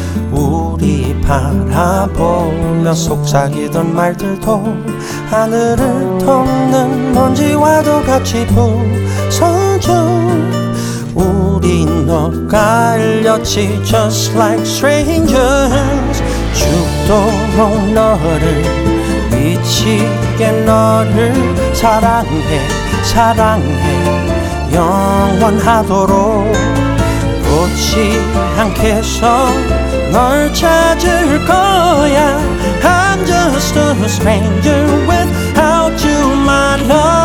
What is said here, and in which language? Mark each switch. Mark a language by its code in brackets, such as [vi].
[ko] 우리 바라보며 속삭이던 말들도 하늘을 덮는 먼지와도 같이 부서져. 우리 엇갈렸지 [en] just like strangers. [ko] 죽도록 너를 미치게 너를 사랑해 사랑해 영원하도록. 꽃이 향해서 널 찾을 거야. [en] I'm just a stranger without you, my love.